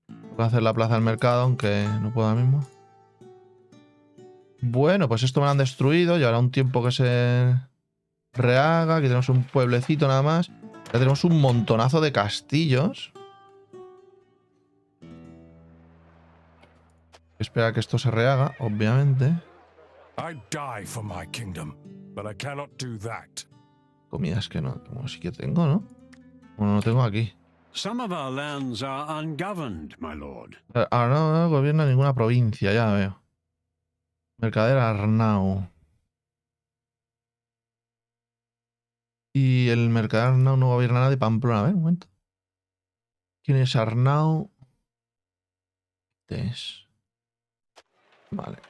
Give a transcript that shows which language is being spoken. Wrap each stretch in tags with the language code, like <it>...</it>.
<es>Toca hacer la plaza del mercado, aunque no pueda mismo. Bueno, pues esto me lo han destruido. Llevará un tiempo que se rehaga. Aquí tenemos un pueblecito nada más. Ya tenemos un montonazo de castillos. Espera que esto se rehaga, obviamente.</es> <en>I'd die for my kingdom, but I cannot do that.</en> <es>Comidas que no, como sí que tengo, ¿no? Bueno, no tengo aquí.</es> <en>Some of our lands are ungoverned, my lord.</en> <es>Ahora no gobierna ninguna provincia, ya veo. Mercader Arnau. Y el mercader Arnau no gobierna nada de Pamplona. A ver, un momento. ¿Quién es Arnau? ¿Qué es? Vale.</es>